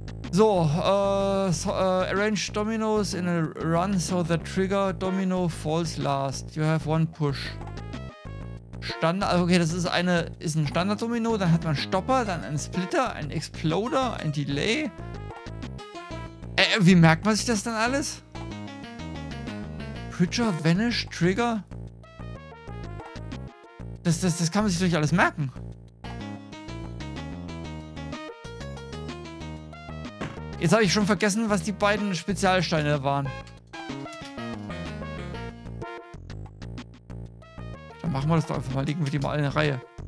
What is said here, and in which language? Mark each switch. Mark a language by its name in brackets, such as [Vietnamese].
[English] So, arrange dominoes in a run so the trigger domino falls last. You have one push. [German] Standard, okay, das ist eine, ist ein Standard-Domino, dann hat man Stopper, dann einen Splitter, einen Exploder, ein Delay. Wie merkt man sich das dann alles? Preacher, Vanish, Trigger. Das kann man sich durch alles merken. Jetzt habe ich schon vergessen, was die beiden Spezialsteine waren. Dann machen wir das doch einfach mal. Legen wir die mal alle in eine Reihe.